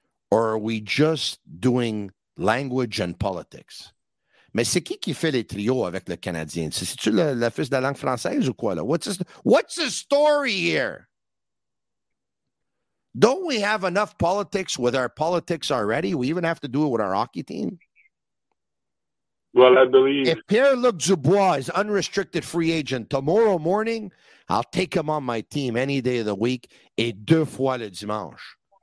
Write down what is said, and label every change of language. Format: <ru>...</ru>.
<en>Or are we just doing language and politics?</en> <fr>Mais c'est qui fait les trios avec le Canadien? C'est-tu le fils de la langue française ou quoi?</fr> <en>Là? What's the story here? Don't we have enough politics with our politics already? We even have to do it with our hockey team? Well, I believe if Pierre-Luc Dubois is unrestricted free agent tomorrow morning, I'll take him on my team any day of the week</en> <fr>et deux fois le dimanche.</fr>